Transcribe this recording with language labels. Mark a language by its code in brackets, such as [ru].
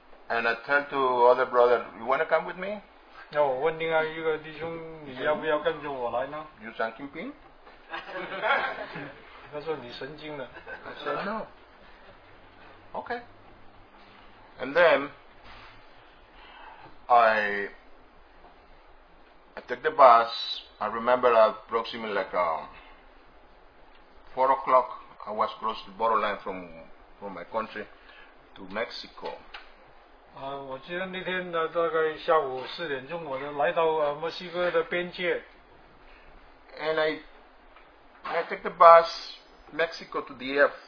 [en] And I turn to other brother, you want to come with me? [zh] 那我问另外一个弟兄，你要不要跟着我来呢 [en] ？You [zh] 神经病？他说你神经了。 [en] I said no. Okay. And then I took the bus. I remember approximately like 4 o'clock, I was across the borderline from my country to Mexico. [zh] 我记得那天大概下午4点钟，我来到墨西哥的边界。 [en] And I took the bus Mexico to DF.